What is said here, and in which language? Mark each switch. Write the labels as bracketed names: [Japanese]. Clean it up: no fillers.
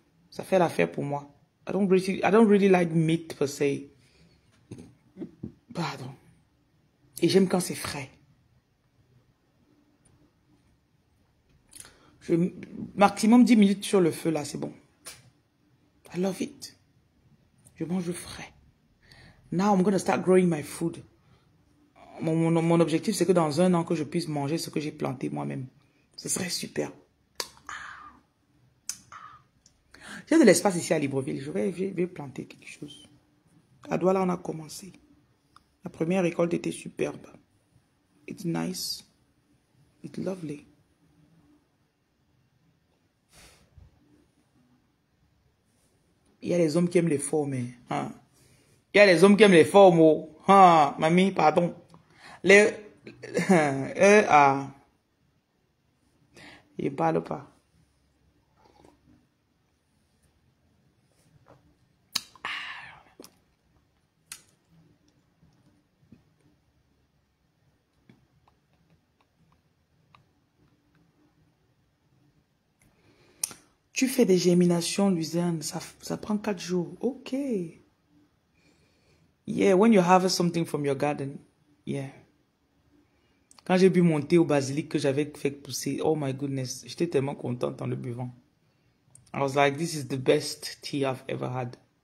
[French] Ça fait l'affaire pour moi. [English] I don't really like meat per se. [French] Pardon. Et j'aime quand c'est frais. Je maximum 10 minutes sur le feu là, c'est bon. [English] I love it. [French] Je mange frais. [English] Now I'm going to start growing my food. [French] Mon objectif, c'est que dans un an, que je puisse manger ce que j'ai planté moi-même. Ce serait super. J'ai de l'espace ici à Libreville. Je vais planter quelque chose. À Douala, on a commencé. La première récolte était superbe. [English] It's nice. It's lovely. [French] Il y a les hommes qui aiment les formes. Hein? Il y a les hommes qui aiment les formes. Oh. Hein? Mamie, pardon. Il parle pas. Tu fais des géminations, Luzerne. Ça prend 4 jours. Ok. [English] Yeah, when you harvest something from your garden. Yeah. [French] Quand j'ai bu mon thé au basilic que j'avais fait pousser, [English] oh my goodness, [French] j'étais tellement contente en le buvant. [English] I was like, this is the best tea I've ever had.